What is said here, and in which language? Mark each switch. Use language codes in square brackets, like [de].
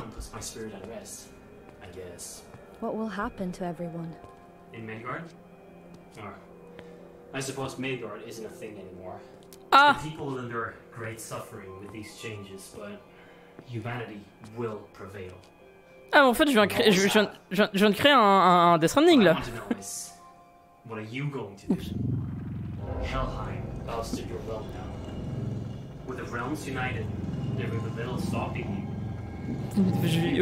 [en] Puts my spirit at rest, I guess. What will happen to everyone? In Midgard? I suppose Midgard isn't a thing anymore. Ah. The people will endure great suffering with these changes, but humanity will prevail. [fr] Ah, en fait, je viens de créer un Death Stranding là. [en] What are you going to do? Helheim ousted your realm now. With the realms united, there will be little stopping you.